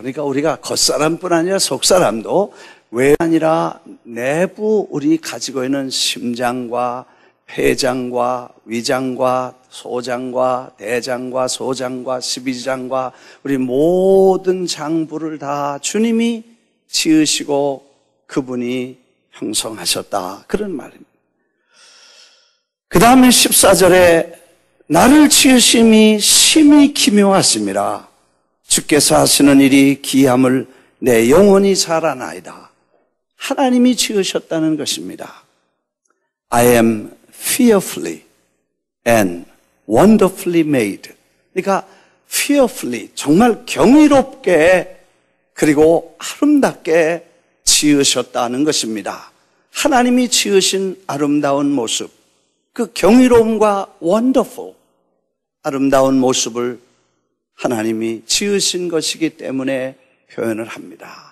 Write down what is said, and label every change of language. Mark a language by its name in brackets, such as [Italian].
[Korean] 그러니까 우리가 겉사람뿐 아니라 속사람도 외가 아니라 내부 우리 가지고 있는 심장과 폐장과 위장과 소장과 대장과 소장과 십이장과 우리 모든 장부를 다 주님이 지으시고 그분이 형성하셨다 그런 말입니다. 그 다음에 14절에 나를 지으심이 심히 기묘하심이라 주께서 하시는 일이 기함을 내 영혼이 잘 아나이다. 하나님이 지으셨다는 것입니다. [English] I am fearfully and wonderfully made. [Korean] 그러니까 fearfully 정말 경이롭게 그리고 아름답게 지으셨다는 것입니다. 하나님이 지으신 아름다운 모습 그 경이로움과 wonderful 아름다운 모습을 하나님이 지으신 것이기 때문에 표현을 합니다.